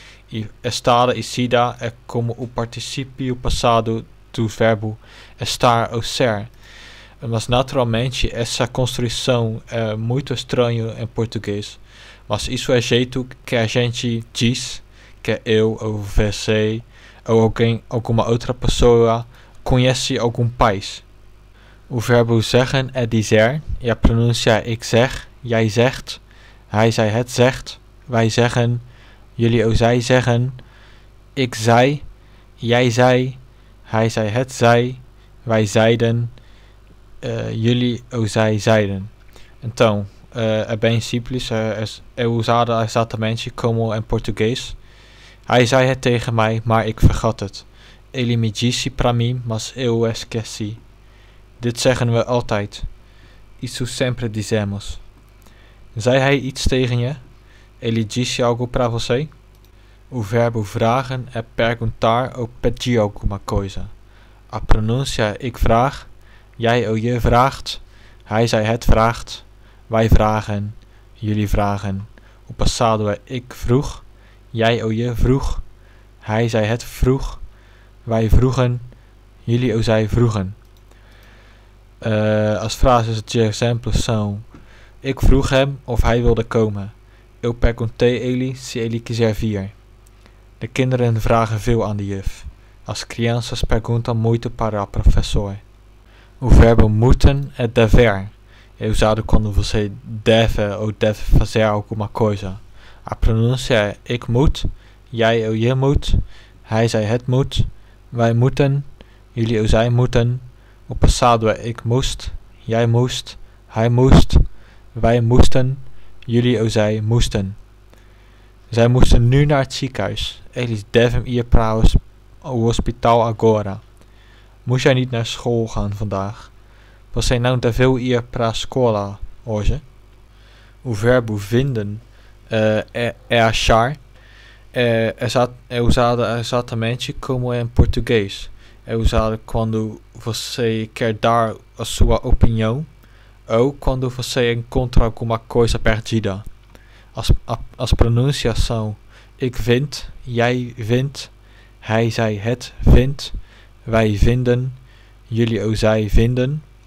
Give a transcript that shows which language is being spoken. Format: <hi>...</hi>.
<pt>E estada e sida é como o participio passado do verbo estar ou ser. Mas naturalmente essa construção é muito estranha em português. Mas isso é jeito que a gente diz que eu ou você ou alguém, alguma outra pessoa conhece algum país. O verbo zeggen é dizer e a pronúncia é</pt> <nl>ik zeg, jij zegt, hij zei het zegt, wij zeggen, jullie ou zij zeggen, ik zei, jij zei, hij zei het zei, wij zeiden, jullie ou zij zeiden.</nl> <pt>Então, é bem simples, é usado exatamente como em português.</pt> <nl>Hij zei het tegen mij, maar ik vergat het.</nl> <pt>Ele me disse para mim, mas eu esqueci.</pt> <nl>Dit zeggen we altijd.</nl> <pt>Isso sempre dizemos.</pt> <nl>Zei hij iets tegen je?</nl> <pt>Ele disse algo para você? O verbo vragen é perguntar ou pedir alguma coisa. A pronúncia é</pt> <nl>ik vraag, jij ou je vraagt, hij zei het vraagt, wij vragen, jullie vragen.</nl> <pt>O passado é</pt> <nl>ik vroeg, jij ou je vroeg, hij zei het vroeg, wij vroegen, jullie ou zij vroegen.</nl> <pt>As frases de exemplo são:</pt> <nl>ik vroeg hem of hij wilde komen.</nl> <pt>Eu perguntei ele se ele quiser vir.</pt> <nl>De kinderen vragen veel aan de juf.</nl> <pt>As crianças perguntam muito para o professor. O verbo moeten é dever. É usado quando você deve ou deve fazer alguma coisa. A pronúncia é</pt> <nl>ik moet, jij ou je moet, hij zei het moet. Wij moeten, jullie ou zij moeten.</nl> <pt>O passado é</pt> <nl>ik moest, jij moest, hij moest. Wij moesten, jullie ou zij moesten. Zij moesten nu naar het ziekenhuis.</nl> <pt>Eles devem ir para o hospital agora.</pt> <nl>Moest jij niet naar school gaan vandaag?</nl> <pt>Você não deveu ir para a escola hoje?</pt> <nl>O verbo vinden é achar.</nl> <pt>É usado exatamente como é em português. É usado quando você quer dar a sua opinião ou quando você encontra alguma coisa perdida. As pronúncias são</pt> <nl>ik vind, jij vindt, hij zij het vindt, wij vinden, jullie ou zij vinden.</nl>